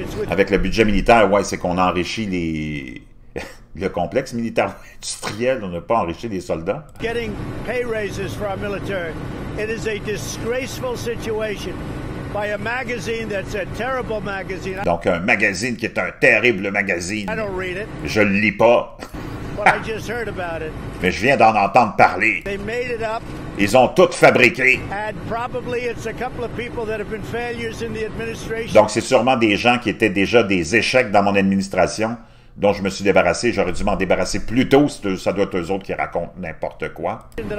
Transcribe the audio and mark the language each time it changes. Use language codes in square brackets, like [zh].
[fr] Avec le budget militaire, ouais, c'est qu'on enrichit les... le complexe militaro-industriel, on n'a pas enrichi les soldats. [en] Getting pay raises for our military. It is a disgraceful situation by a magazine that's a terrible magazine. [fr] Donc un magazine qui est un terrible magazine. [en] I don't read it. [fr] Je le lis pas. [en] But I just heard about it. [fr] Mais je viens d'en entendre parler. [en] They made it up. [fr] Ils ont tout fabriqué. [en] And probably it's a couple of people that have been failures in the administration. [fr] Donc c'est sûrement des gens qui étaient déjà des échecs dans mon administration dont je me suis débarrassé. J'aurais dû m'en débarrasser plus tôt. Ça doit être eux autres qui racontent n'importe quoi.